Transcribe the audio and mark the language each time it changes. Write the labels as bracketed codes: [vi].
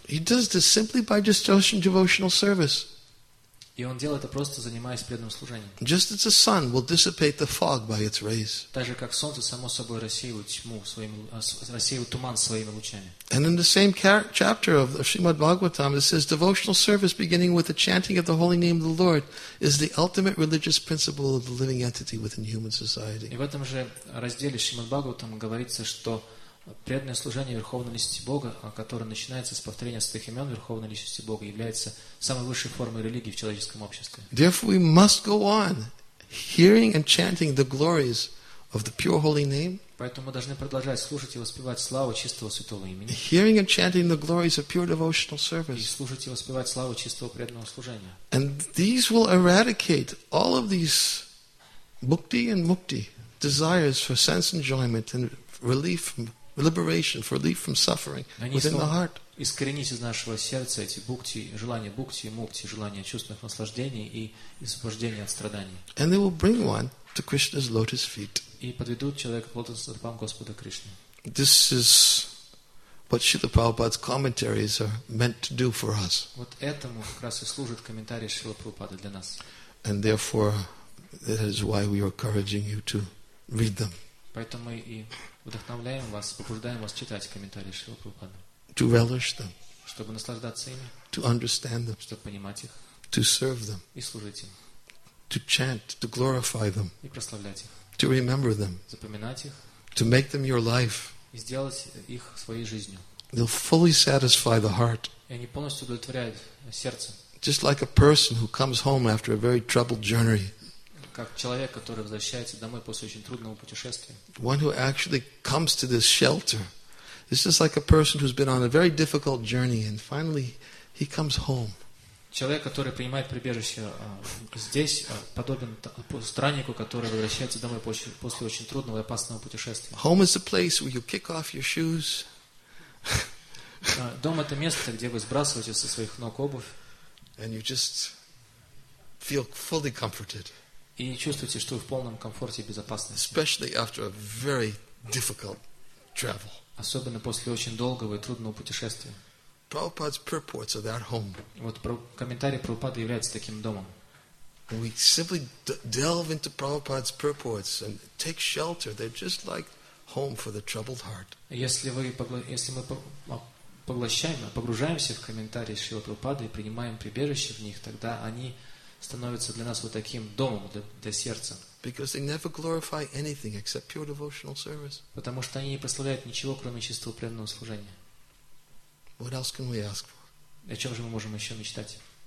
[en] He does this simply by just offering devotional service. [ru] И он делает это просто занимаясь преданным служением. [en] Just as the sun will dissipate the fog by its rays. [ru] Так же, как солнце само собой рассеивает тьму своими, рассеивает туман своими лучами. [en] And in the same chapter of Srimad Bhagavatam, it says, devotional service beginning with the chanting of the holy name of the Lord is the ultimate religious principle of the living entity within human society. [ru] И в этом же разделе Шримад Бхагаватам говорится, что преданное служение Верховной Личности Бога, которое начинается с повторения святых имен Верховной Личности Бога, является самой высшей формой религии в человеческом обществе. [en] Therefore, we must go on hearing and chanting the glories of the pure holy name. [ru] Поэтому мы должны продолжать слушать и воспевать славу чистого святого имени. [en] Hearing and chanting the glories of pure devotional service. [ru] И слушать и воспевать славу чистого преданного служения. [en] And these will eradicate all of these bhukti and mukti desires for sense enjoyment and relief from liberation, for relief from suffering within the heart. [ru] Искоренить из нашего сердца эти бхукти, желания бхукти и мукти, желания чувственных наслаждений и освобождения от страданий. [en] And they will bring one to Krishna's lotus feet. [ru] И подведут человека к лотосным стопам Господа Кришны. [en] This is what Srila Prabhupada's commentaries are meant to do for us. [ru] Вот этому как раз и служит комментарий Шрилы Прабхупады для нас. [en] And therefore, that is why we are encouraging you to read them. [ru] Поэтому и вдохновляем вас, побуждаем вас читать комментарии Шрилы Прабхупады. [en] To relish them. [ru] Чтобы наслаждаться ими. [en] To understand them. [ru] Чтобы понимать их. [en] To serve them. [ru] И служить им. [en] To chant, to glorify them. [ru] И прославлять их. [en] To remember them. [ru] Запоминать их. [en] To make them your life. [ru] И сделать их своей жизнью. [en] They'll fully satisfy the heart. [ru] И они полностью удовлетворяют сердце. [en] Just like a person who comes home after a very troubled journey. [ru] Как человек, который возвращается домой после очень трудного путешествия. [en] One who actually comes to this shelter. This is like a person who's been on a very difficult journey and finally he comes home. [ru] Человек, который принимает прибежище здесь, подобен страннику, который возвращается домой после очень трудного и опасного путешествия. [en] Home is the place where you kick off your shoes. [ru] Дом — это место, где вы сбрасываете со своих ног обувь. [en] And you just feel fully comforted. [ru] И чувствуете, что вы в полном комфорте и безопасности. [en] Especially after a very difficult travel. [ru] Особенно после очень долгого и трудного путешествия. [en] Prabhupada's purports are that home. [ru] Вот комментарий Прабхупады является таким домом. [en] We simply delve into Prabhupada's purports and take shelter. They're just like home for the troubled heart. [ru] Если мы погружаемся в комментарии Шрилы Прабхупады и принимаем прибежище в них, тогда они становятся для нас вот таким домом для сердца. [en] Because they never glorify anything except pure devotional service. [ru] Потому что они не прославляют ничего, кроме чистого преданного служения. [en] What else can we ask for? [ru] О чем же мы можем еще мечтать?